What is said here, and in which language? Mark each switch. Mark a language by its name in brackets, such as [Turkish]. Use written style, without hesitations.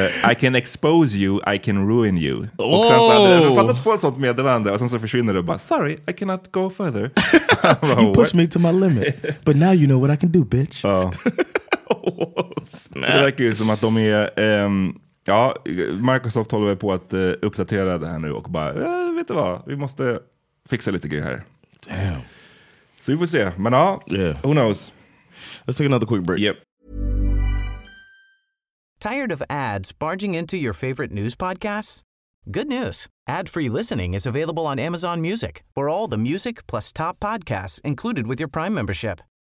[English] I can expose you, I can ruin you. [Swedish] Och sen så hade jag författat på ett sånt meddelande och sen så försvinner det och bara, [English] sorry, I cannot go further. You pushed me to my limit. But now you know what I can do, bitch. Oh, snap. [Swedish] Så det räcker ju som att de är ja, Microsoft håller på att uppdatera det här nu och bara vet du vad, vi måste fixa lite grejer här. [English] Damn. [Swedish] Så vi får se, men ja, [English] yeah. Who knows. Let's take another quick break. Yep. Tired of ads barging into your favorite news podcasts? Good news. Ad-free listening is available on Amazon Music for all the music plus top podcasts included with your Prime membership.